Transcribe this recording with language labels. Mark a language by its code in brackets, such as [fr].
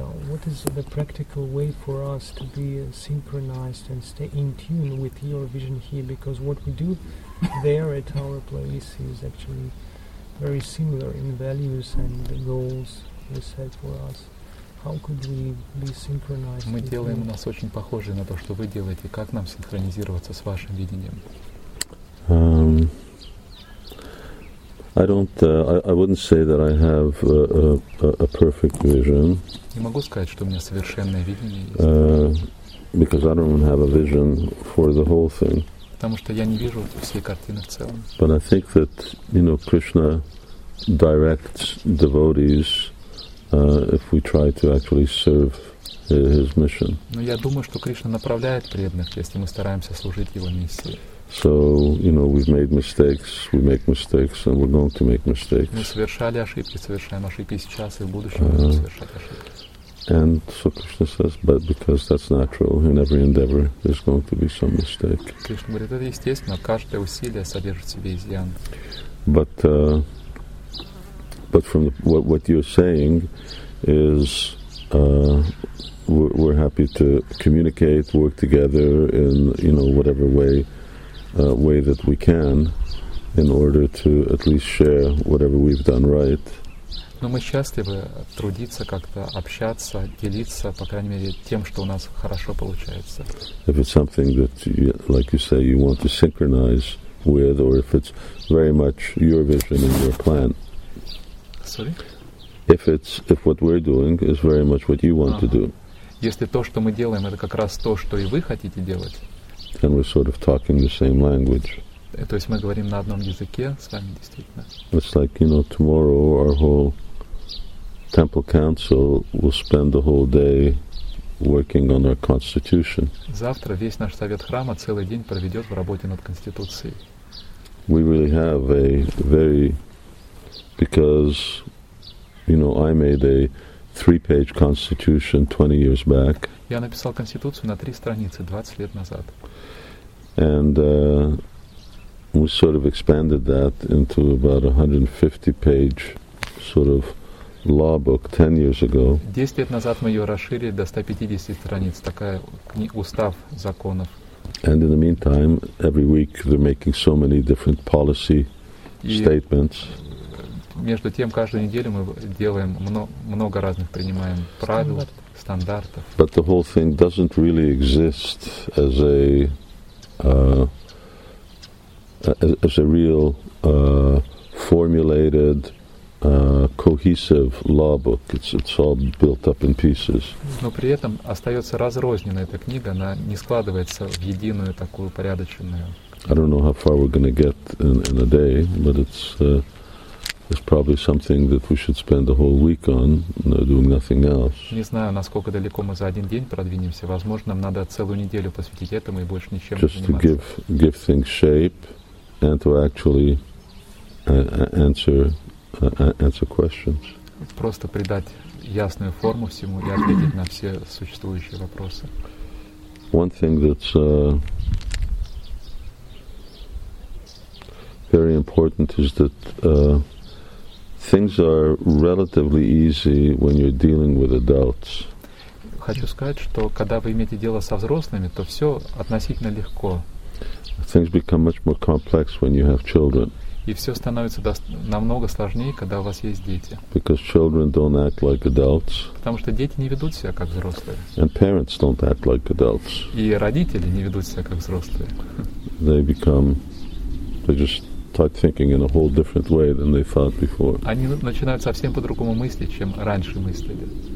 [en] What is the practical way for us to be synchronized and stay in tune with your vision here? Because what we do there at our place is actually very similar in values and the goals you set for us. How could we be synchronized? [ru] Мы делаем, у нас очень похожее на то, что вы делаете. Как нам синхронизироваться с вашим видением? [en] I wouldn't say that I have a perfect vision. [ru] Не могу сказать, что у меня совершенное видение есть. [en] Because I don't have a vision for the whole thing. [ru] Потому что я не вижу всей картины в целом. [en] But I think that, you know, Krishna directs devotees if we try to actually serve his mission. [ru] Но я думаю, что Кришна направляет преданных, если мы стараемся служить его миссии. [en] So, you know, we've made mistakes, we make mistakes, and we're going to make mistakes. [ru] Мы совершали ошибки, совершаем ошибки сейчас и в будущем будем совершать ошибки. [en] And so Krishna says, but because that's natural, in every endeavor there's going to be some mistake. [ru] Кришна говорит, это естественно, каждое усилие содержит в себе изъян. [en] But from the, what you're saying is we're happy to communicate, work together in, you know, whatever way that we can, in order to at least share whatever we've done right. [ru] Но мы счастливы трудиться как-то, общаться, делиться, по крайней мере, тем, что у нас хорошо получается. [en] If it's something that, you, like you say, you want to synchronize with, or if it's very much your vision and your plan. Sorry? If it's, if what we're doing is very much what you want to do. [ru] Если то, что мы делаем, это как раз то, что и вы хотите делать. [en] Then we're sort of talking the same language. [ru] То есть мы говорим на одном языке с вами, действительно. [en] It's like, you know, tomorrow our whole temple council will spend the whole day working on our constitution. [ru] Завтра весь наш совет храма целый день проведет в работе над конституцией. [en] We really have a very, because, you know, I made a 3-page constitution 20 years back. [ru] Я написал конституцию на 3 страницы 20 лет назад. [en] And we sort of expanded that into about 150-page sort of law book 10 years ago. [ru] 10 лет назад мы ее расширили до 150 страниц, такая устав законов. [en] And in the meantime, every week they're making so many different policy statements. [ru] Между тем, каждую неделю мы делаем много разных, принимаем правил, стандартов. [en] But the whole thing doesn't really exist as a real formulated, cohesive law book. It's all built up in pieces. [ru] Но при этом остается разрозненная эта книга, она не складывается в единую такую порядоченную. [en] I don't know how far we're going to get in a day, but it's probably something that we should spend a whole week on, doing nothing else. [ru] Не знаю, насколько далеко мы за один день продвинемся. Возможно, нам надо целую неделю посвятить этому и больше ничем не заниматься. [en] Just to give things shape and to actually answer questions. [ru] Просто придать ясную форму всему и ответить на все существующие вопросы. [en] One thing that's very important is that things are relatively easy when you're dealing with adults. [ru] Хочу сказать, что когда вы имеете дело со взрослыми, то все относительно легко. [en] Things become much more complex when you have children. [ru] И все становится намного сложнее, когда у вас есть дети. [en] Because children don't act like adults. [ru] Потому что дети не ведут себя как взрослые. [en] And parents don't act like adults. [ru] И родители не ведут себя как взрослые. [en] They just start thinking in a whole different way than they thought before. [ru] Они начинают совсем по-другому мыслить, чем раньше мыслили.